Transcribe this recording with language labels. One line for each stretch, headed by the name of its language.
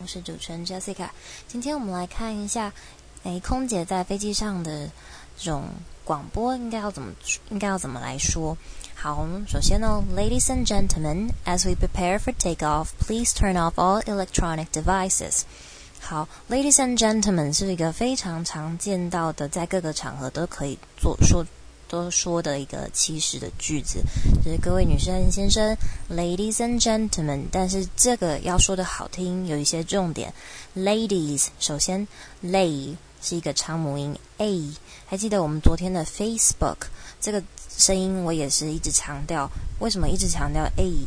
Chinese: 是主持人 Jessica。今天我们来看一下空姐在飞机上的这种广播应该要怎么来说。好，首先呢，
English: Ladies and gentlemen, as we prepare for takeoff, please turn off all electronic devices.
Chinese: 好， Ladies and gentlemen 是一个非常常见到的，在各个场合都可以都说的一个祈使的句子，就是各位女生先生 Ladies and gentlemen。但是这个要说的好听有一些重点， Ladies 首先 Lay 是一个长母音 A， 还记得我们昨天的 Facebook 这个声音我也是一直强调，为什么一直强调 A？